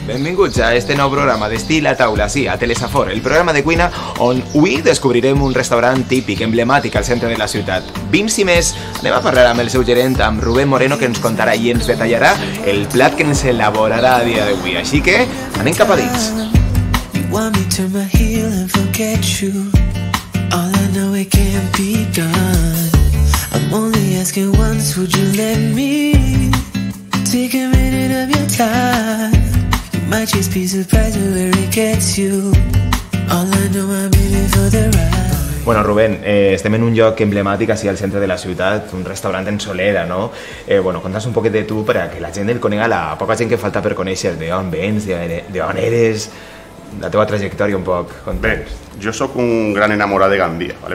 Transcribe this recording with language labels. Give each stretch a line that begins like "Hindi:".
Catalan: Benvinguts a este nou programa d'Estil a Taula, sí, a Telesafor, el programa de cuina on avui descobrirem un restaurant típic, emblemàtic, al centre de la ciutat. Vims i més, anem a parlar amb el seu gerent, amb Rubén Moreno, que ens contarà i ens detallarà el plat que ens elaborarà a dia d'avui. Així que anem cap a dins.
English: You want me to turn my heel and forget you. All I know it can't be done. I'm only asking once, would you let me take a minute of your time? You might just be surprised at where it gets you. All I know I'm in it for the ride.
Catalan: Bueno, Rubén, estem en un lloc emblemàtic així al centre de la ciutat, un restaurant en Solera, no? Bueno, contas un poquet de tu para que la gent el conega, la poca gent que falta per conèixer, de on vens, de on eres, la teva trajectòria un poc. Bé, jo sóc un gran enamorat de Gandia, ¿vale?